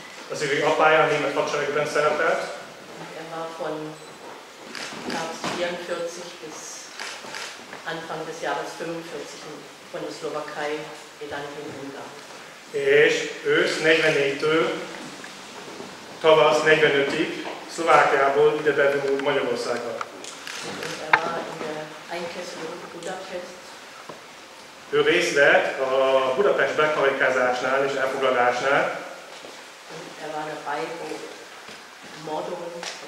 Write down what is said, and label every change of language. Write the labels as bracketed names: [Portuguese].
[Hungarian] Az ő apája a német hadseregben szerepelt. [German] Er war von 44 bis Anfang des Jahres 45 von der Slowakei gelandet in Ungarn. [Hungarian] És ősz 44-től tavasz 45-ig Szlovákiából ide bevonult Magyarországra. [German] Er war in der Einkesselung Budapest. [Hungarian] Ő részt vett a Budapest bekarikázásnál és elfoglalásnál. [German] Er war dabei, wo Mordungen